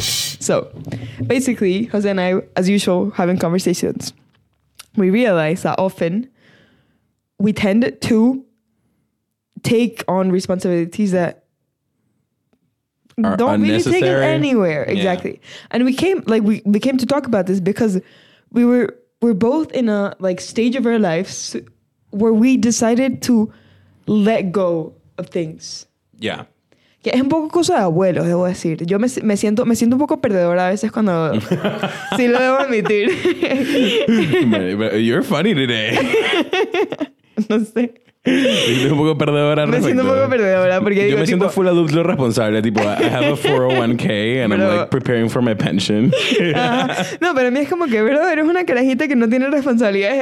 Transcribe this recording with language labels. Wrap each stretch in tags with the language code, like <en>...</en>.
<en>So, basically, Jose and I, as usual, having conversations, we realize that often we tend to take on responsibilities that don't really take it anywhere. Exactly. Yeah. And we came to talk about this because we're both in a like stage of our lives where we decided to let go of things. Yeah.</en> <es>Que es un poco cosa de abuelo, debo decir. Yo me siento un poco perdedora a veces cuando sí lo debo admitir.</es> <en>You're funny today.</en> <es>No sé. Me siento un poco perdedora. Porque yo me siento</es> <en>full</en> <es>adulto responsable.</es> <en>Tipo, I have a 401k and I'm like preparing for my pension.</en> <es>No, pero a mí es como que, bro, eres una carajita que no tiene responsabilidades.</es>